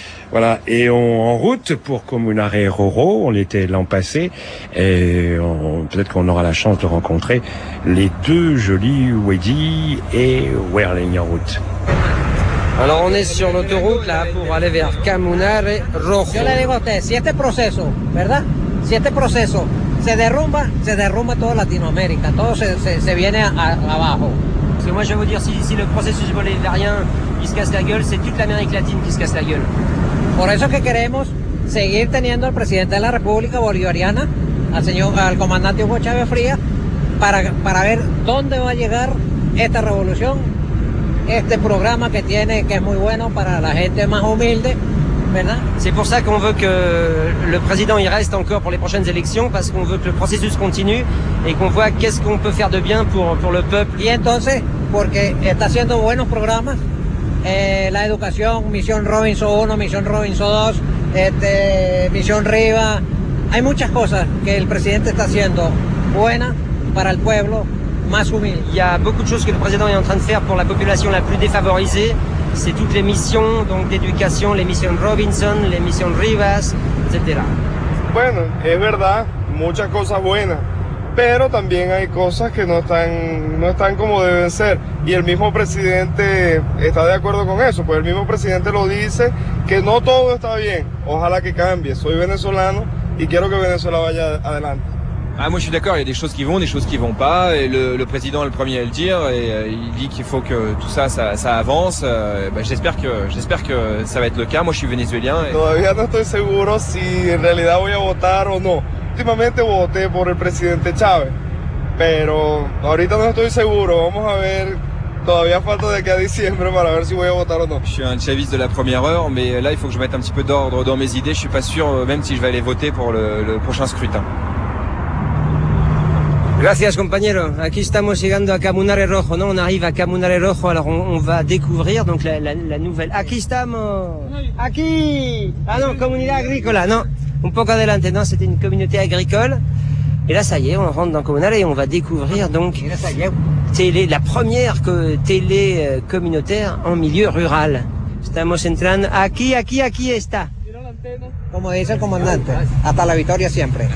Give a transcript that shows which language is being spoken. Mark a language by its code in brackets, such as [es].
[fr] Voilà, et en route pour Comunare Roro, on était l'an passé, et peut-être qu'on aura la chance de rencontrer les deux jolis Weddy et Werling en route. Alors on est sur l'autoroute là pour aller vers Comunare Roro. [es] Yo le digo a usted, si este proceso, ¿verdad? Si este proceso se derrumba toda Latinoamérica, todo se viene abajo. [fr] Parce que moi je vais vous dire, si le processus bolivarien il se casse la gueule, c'est toute l'Amérique latine qui se casse la gueule. [es] Por eso que queremos seguir teniendo al presidente de la República Bolivariana, al comandante Hugo Chávez Frías, para ver dónde va a llegar esta revolución, este programa que tiene, que es muy bueno para la gente más humilde. [fr] C'est pour ça qu'on veut que le président y reste encore pour les prochaines élections, parce qu'on veut que le processus continue et qu'on voit qu'est-ce qu'on peut faire de bien pour le peuple. [es] Y entonces, porque está haciendo buenos programas, la educación, Misión Robinson 1, Misión Robinson 2, Misión Riva, hay muchas cosas que el presidente está haciendo buenas para el pueblo más humilde. [fr] Il y a beaucoup de choses que le président est en train de faire pour la population la plus défavorisée. C'est toutes les missions donc d'éducation, les missions Robinson, les missions Rivas, etc. [es] Bueno, es verdad, muchas cosas buenas, pero también hay cosas que no están como deben ser. Y el mismo presidente está de acuerdo con eso, pues el mismo presidente lo dice, que no todo está bien. Ojalá que cambie. Soy venezolano y quiero que Venezuela vaya adelante. [fr] Ah, moi je suis d'accord, il y a des choses qui vont, des choses qui vont pas, et le président est le premier à le dire, et il dit qu'il faut que tout ça avance. J'espère que ça va être le cas. Moi je suis vénézuélien. [es] Todavía no estoy seguro si en realidad voy a votar o no. Últimamente voté por el presidente Chávez, pero ahorita no estoy seguro. Vamos a ver. Todavía falta de que a diciembre para ver si voy a votar o no. [fr] Je suis un chaviste de la première heure, mais là il faut que je mette un petit peu d'ordre dans mes idées. Je suis pas sûr même si je vais aller voter pour le prochain scrutin. [es] Gracias, compañero. Aquí estamos llegando a Comunare Roro, ¿no? [fr] On arrive à Comunare Roro, alors on va découvrir donc la nouvelle. [es] Aquí estamos. Aquí. [fr] Ah non, [es] comunidad agrícola, [fr] non. [es] Un poco adelante, [fr] non, c'était une communauté agricole. Et là, ça y est, on rentre dans Comunare et on va découvrir donc la première télé communautaire en milieu rural. [es] Estamos entrando. Aquí está. Mira la Como dice el comandante, hasta la victoria siempre.